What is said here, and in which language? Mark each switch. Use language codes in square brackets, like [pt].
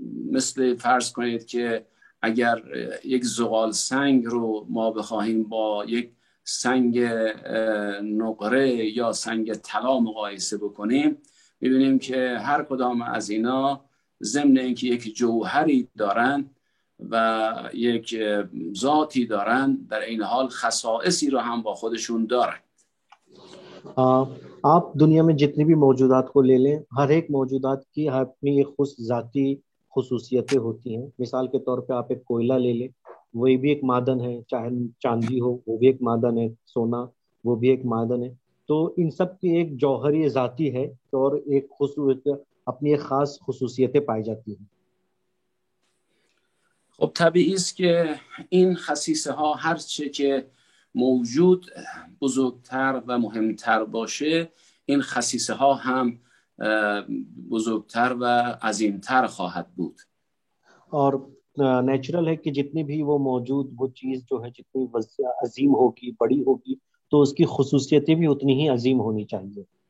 [fa] مثل فرض کنید که اگر یک زغال سنگ رو ما بخواهیم با یک سنگ نقره یا سنگ طلا مقایسه بکنیم، میبینیم که هر کدام از اینا ضمن اینکه یک جوهری دارند و یک ذاتی دارند، در این حال خصائصی رو هم با خودشون دارند. [ur] آپ دنیا میں جتنی بھی موجودات کو لے لیں، ہر ایک موجودات کی اپنی ایک خود ذاتی خصوصیتیں ہوتی ہیں. مثال کے طور پہ آپ ایک کوئلہ لے لیں، وہی بھی ایک معدن ہے، چاہے چاندی ہو وہ بھی ایک معدن ہے، سونا وہ بھی ایک معدن ہے. تو ان سب کی ایک جوہری ذاتی ہے اور ایک خصوصیت، اپنی ایک خاص خصوصیتیں پائی جاتی ہیں. [fa] خب طبیعی است که این خصیصه ها هر چه که موجود بزرگتر و مهمتر باشه، این خصیصه ها هم بزرگتر و عظیمتر خواهد بود. [ur] اور نیچرل ہے کہ جتنی بھی وہ موجود، وہ چیز جو ہے جتنی عظیم ہوگی، بڑی ہوگی، تو اس کی خصوصیتیں بھی اتنی ہی عظیم ہونی چاہیے.